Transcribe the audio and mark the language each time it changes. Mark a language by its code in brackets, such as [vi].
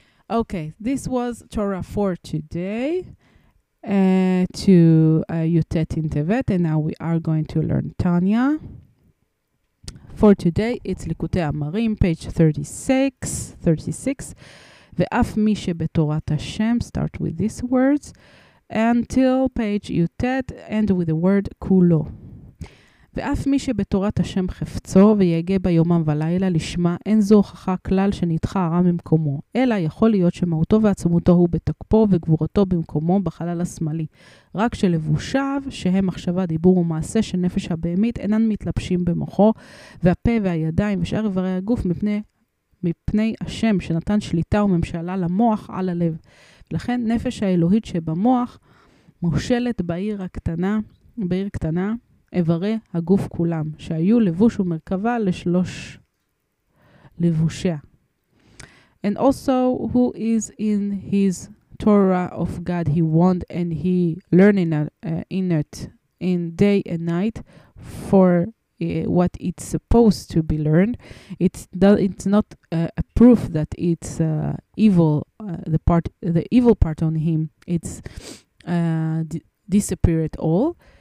[en] Okay, this was Torah for today, to Yutet in Tevet, and now we are going to learn Tanya. For today, it's Likutei Amarim, page 36. [he] ואף מי שבתורת השם, [en] start with these words, until page יוטט, end with the word כולו. [he] ואף מי שבתורת השם חפצו, ויגה ביומם ולילה לשמה, אין זו הוכחה כלל שנדחה הרע ממקומו, אלא יכול להיות שמהותו ועצמותו הוא בתקפו וגבורתו במקומו בחלל השמאלי, רק שלבושיו, שהם מחשבה, דיבור ומעשה של נפש הבהמית, אינן מתלבשים במוחו, והפה והידיים ושאר איברי הגוף מפני הלב, מפני השם שנתן שליטה וממשלה למוח על הלב. לכן נפש האלוהית שבמוח מושלת בעיר הקטנה, בעיר קטנה, איברי הגוף כולם, שהיו לבוש ומרכבה לשלוש לבושיה. [en] And also who is in his Torah of God he want and he learning in it in day and night for what it's supposed to be learned, it's not a proof that it's evil, the evil part on him, it's disappear at all.